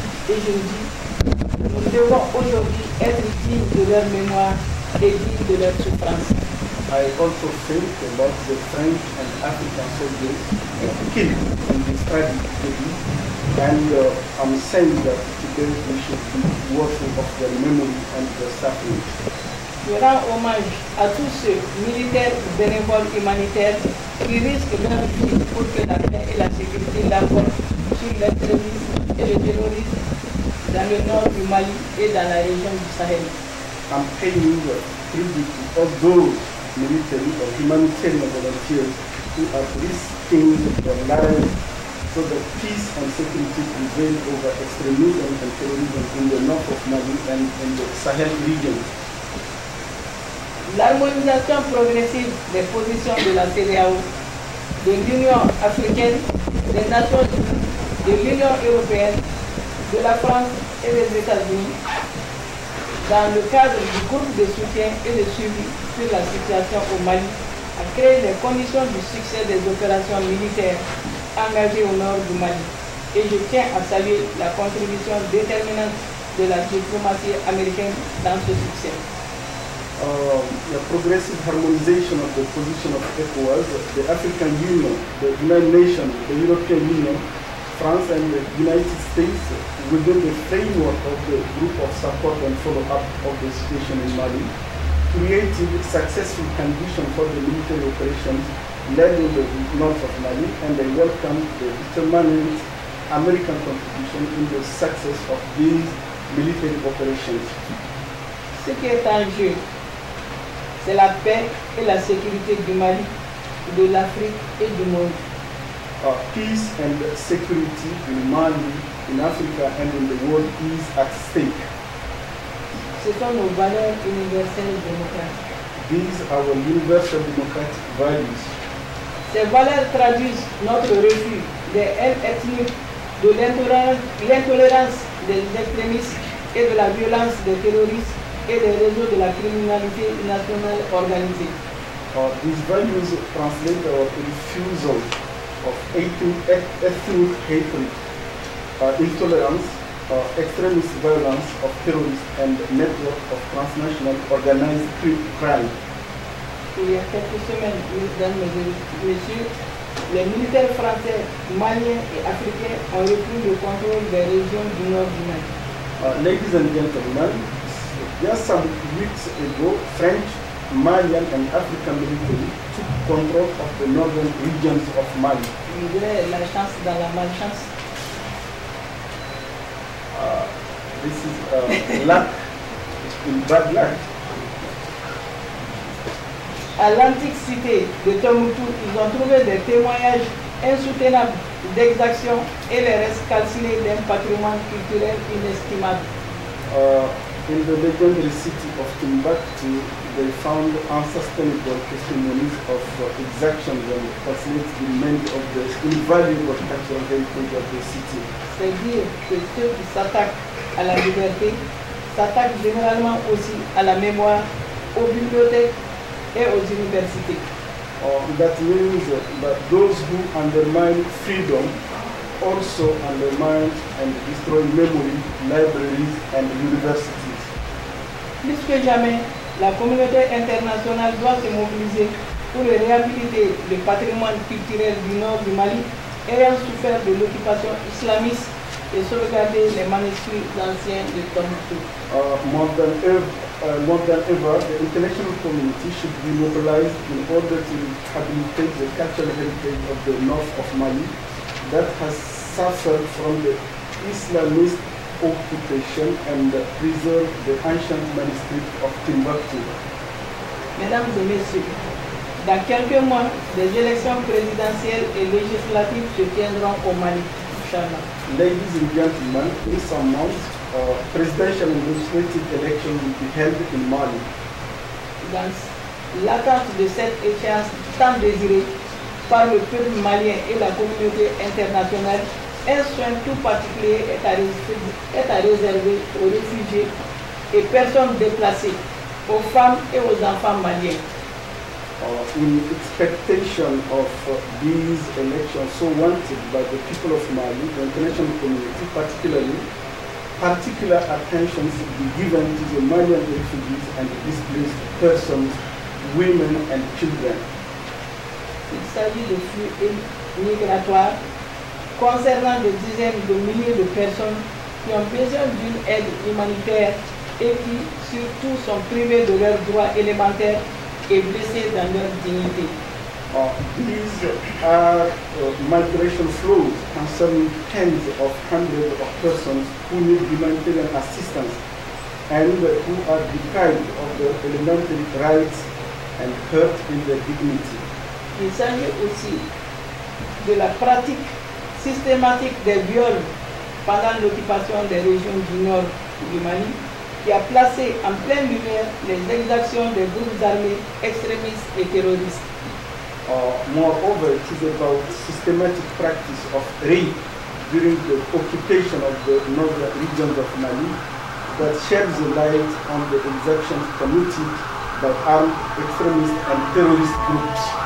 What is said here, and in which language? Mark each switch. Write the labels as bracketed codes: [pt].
[fr] Et je me dis, nous devons aujourd'hui être dignes de leur mémoire et dignes de leur souffrance. [en] I also think about the French and African soldiers killed in this tragedy, and I'm saying that today we should be worthy of their memory and their suffering. [fr] Je rends hommage à tous ceux, militaires, bénévoles, humanitaires, qui risquent leur vie pour que la paix et la sécurité l'emportent. L'extrémisme et le terrorisme dans le nord du Mali et dans la région du Sahel. [en] I'm paying tribute to all those military or humanitarian volunteers who are risking their lives so that peace and security prevail over extremism and terrorism in the north of Mali and in the Sahel region. [fr] L'harmonisation progressive des positions de la CEDEAO, de l'Union africaine, des Nations unies, de l'Union européenne, de la France et des États-Unis dans le cadre du groupe de soutien et de suivi sur la situation au Mali a créé les conditions du succès des opérations militaires engagées au nord du Mali. Et je tiens à saluer la contribution déterminante de la diplomatie américaine dans ce succès. [en] The progressive harmonization of the position of ECOWAS, the African Union, the United Nations, the European Union, France and the United States within the framework of the group of support and follow-up of the situation in Mali created successful conditions for the military operations led in the north of Mali, and they welcomed the determined American contribution in the success of these military operations. [fr] Ce qui est en jeu, c'est la paix et la sécurité du Mali, de l'Afrique et du monde. [en] Peace and security in Mali, in Africa and in the world is at stake. [fr] Ce sont nos valeurs universelles démocratiques. [en] These are our universal democratic values. [fr] Ces valeurs traduisent notre refus des haines ethniques, de l'intolérance des extrémistes et de la violence des terroristes et des réseaux de la criminalité nationale organisée. [en] These values translate our refusal of ethnic hatred, intolerance, extremist violence of terrorists and network of transnational organized crime. [fr] Il y a quelques semaines, mesdames et messieurs, les militaires français, maliens et africains ont repris le contrôle des régions du nord du Mali. [en] Ladies and gentlemen, just some weeks ago, French, Malian and African military took control of the northern regions of Mali. [fr] La chance dans la malchance. [en] This is luck in bad luck. [fr] À l'antique cité de Tombouctou, ils ont trouvé des témoignages insoutenables d'exactions et les restes calcinés d'un patrimoine culturel inestimable. [en] In the legendary city of Timbuktu, they found unsustainable testimonies of exactions and facilities in many of the invaluable cultural heritage of the city. [fr] C'est-à-dire que ceux qui s'attaquent à la liberté s'attaquent généralement aussi à la mémoire, aux bibliothèques et aux universités. [en] That means that those who undermine freedom also undermine and destroy memory, libraries and universities. [fr] Plus que jamais, la communauté internationale doit se mobiliser pour réhabiliter le patrimoine culturel du nord du Mali ayant souffert de l'occupation islamiste et sauvegarder les manuscrits anciens de Tombouctou. [en] More than ever, the international community should be mobilized in order to rehabilitate the cultural heritage of the north of Mali that has suffered from the Islamist occupation and preserve the ancient manuscript of Timbuktu. [fr] Mesdames et messieurs, dans quelques mois, les élections présidentielles et législatives se tiendront au Mali. [en] Ladies and gentlemen, in some months, presidential and legislative elections will be held in Mali. [fr] Dans l'attente de cette échéance tant désirée par le peuple malien et la communauté internationale, un soin tout particulier est à réserver aux réfugiés et personnes déplacées, aux femmes et aux enfants maliens. [en] In expectation of these elections so wanted by the people of Mali, the international community, particular attention should be given to the Malian refugees and displaced persons, women and children. [fr] Il s'agit de flux migratoires concernant des dizaines de milliers de personnes qui ont besoin d'une aide humanitaire et qui, surtout, sont privées de leurs droits élémentaires et blessées dans leur dignité. [en] These are migration flows concerning tens of hundreds of persons who need humanitarian assistance and who are deprived of their elementary rights and hurt in their dignity. [fr] Il s'agit aussi de la pratique systématique des viols pendant l'occupation des régions du nord du Mali, qui a placé en pleine lumière les exactions des groupes armés extrémistes et terroristes. [en] Moreover, it is about systematic practice of rape during the occupation of the northern regions of Mali that sheds light on the exactions committed by armed extremists and terrorist groups.